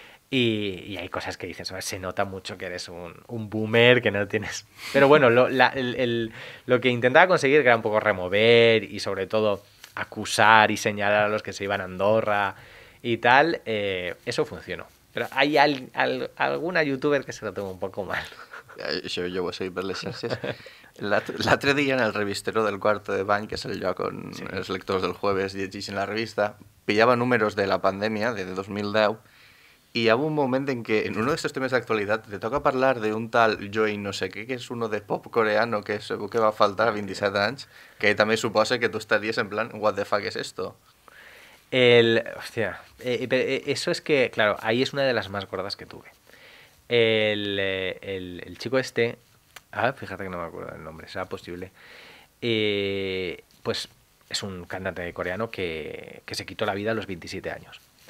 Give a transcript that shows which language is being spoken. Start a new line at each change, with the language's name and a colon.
Spanish: Y hay cosas que dices, se nota mucho que eres un boomer, que no tienes... Pero bueno, lo que intentaba conseguir, que era un poco remover y sobre todo acusar y señalar a los que se iban a Andorra y tal, eso funcionó. Pero hay alguna youtuber que se lo toma un poco mal.
Catalan: Això jo ho he seguit per les xarxes. L'altre dia, en el revistero del quarto de bany, que és el lloc on els lectors del jueves llegeixen la revista, pillava números de la pandèmia, de 2010, i hi ha un moment en què, en un d'aquests temes d'actualitat, te toca parlar d'un tal Joey no sé què, que és
Spanish: uno de pop coreano,
Catalan: que segur que va faltar a 27 anys, que també suposa que tu estaries en plan,
English: what the fuck
Catalan: és esto?
Spanish: Hòstia, eso es que, claro, ahí es una de las más gordas que tuve. El chico este, fíjate que no me acuerdo el nombre, será posible, pues es un cantante coreano que se quitó la vida a los 27 años.